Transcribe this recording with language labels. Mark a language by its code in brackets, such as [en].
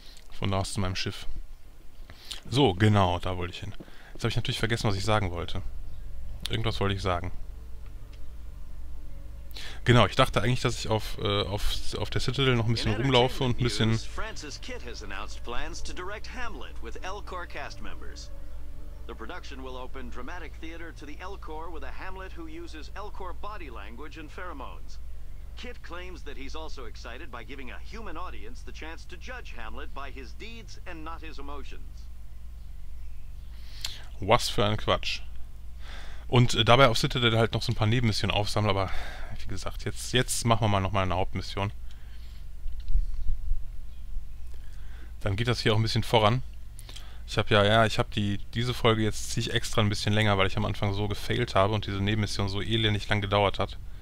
[de] Von da aus zu meinem Schiff. So, genau, da wollte ich hin. Jetzt habe ich natürlich vergessen, was ich sagen wollte. Irgendwas wollte ich sagen. Genau, ich dachte eigentlich, dass ich auf der Citadel noch ein bisschen rumlaufe und ein bisschen... [en] Francis Kitt has announced plans to direct Hamlet with Elcor cast members. The production will open dramatic theater to the Elcor with a Hamlet who uses Elcor body language and pheromones. Kit claims that he's also excited by giving a human audience the chance to judge Hamlet by his deeds and not his emotions. [de] Was für ein Quatsch. Und dabei auf Citadel halt noch so ein paar Nebenmissionen aufsammeln, aber wie gesagt, jetzt machen wir mal nochmal eine Hauptmission. Dann geht das hier auch ein bisschen voran. Ich habe diese Folge jetzt ziehe ich extra ein bisschen länger, weil ich am Anfang so gefailt habe und diese Nebenmission so elendig lang gedauert hat.